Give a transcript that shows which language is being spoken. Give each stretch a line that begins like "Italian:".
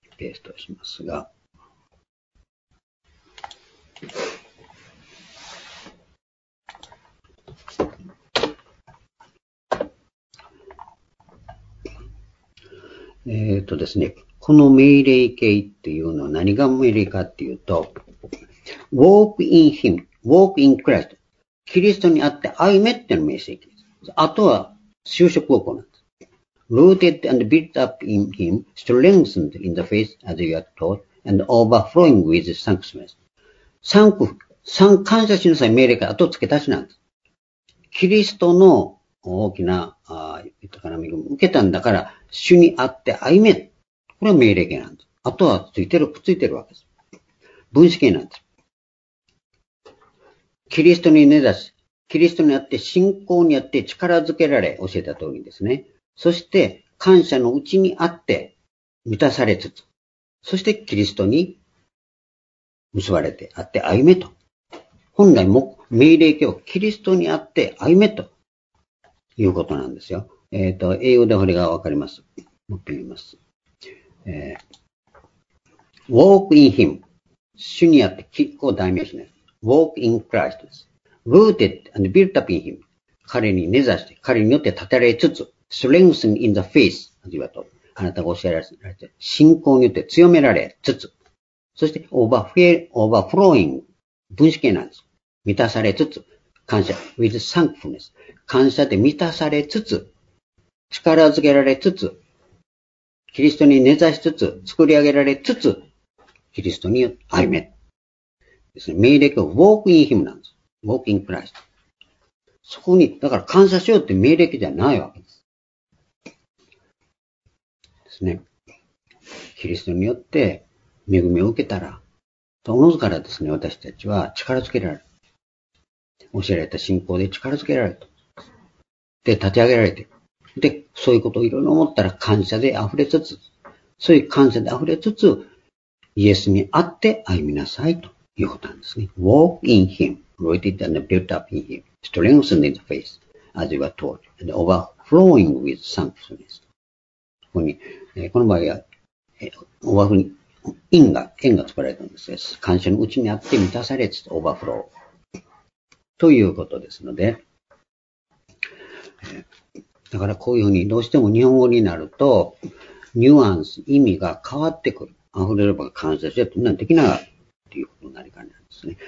Japanese: ペーストしますが、ですね、この命令形っていうのは何が命令かっていうと、
English: Walk in Him, Walk in Christ、
Japanese: キリストにあって歩めっていうの命令形です。あとは就職を行う。
English: Rooted and built up in him, strengthened in the faith as you are taught, and overflowing with thanksgiving.
Japanese: 感謝しなさい命令から後付け足しなんです。キリストの大きな豊かな恵みを受けたんだから、主にあって歩め。これは命令形なんです。あとはついてる、くっついてるわけです。分子形なんです。キリストに根ざし、キリストにあって信仰にあって力づけられ、教えた通りですね。そして、感謝のうちにあって、満たされつつ、そして、キリストに結ばれてあって、歩めと。本来も、命令形をキリストにあって、歩めと、いうことなんですよ。英語でこれがわかります。もう一回言います。
English: walk in him.
Japanese: 主にあって、結構代名詞です。
English: walk in Christ
Japanese: です。
English: rooted and built up in him.
Japanese: 彼に根ざして、彼によって立てられつつ、
English: strengthen in the faith, as you are told.
Japanese: あなたが教えられて、信仰によって強められつつ、そして
English: overflowing,
Japanese: 分子形なんです。満たされつつ、感謝、
English: with thankfulness.
Japanese: 感謝で満たされつつ、力づけられつつ、キリストに根ざしつつ、作り上げられつつ、キリストに歩め。ですね。命令が
English: walk in him
Japanese: なんです。
English: walk in Christ。
Japanese: そこに、だから感謝しようって命令じゃないわけです。ね、キリストによって恵みを受けたら、おのずからですね、私たちは力づけられる。教えられた信仰で力づけられると。で、立ち上げられて。で、そういうことをいろいろ思ったら感謝で溢れつつ、そういう感謝で溢れつつ、イエスに会って歩みなさいということなんですね。
English: Walk in him, rooted and built up in him, strengthened in the faith, as you were taught, and overflowing with thankfulness.
Japanese: この場合は、オバフに因が、縁が作られたんですよ。感謝のうちにあって満たされつつオーバーフロー。ということですので、だからこういうふうにどうしても日本語になると、ニュアンス、意味が変わってくる。溢れれば感謝して、そんなできないということになりかねないんですね。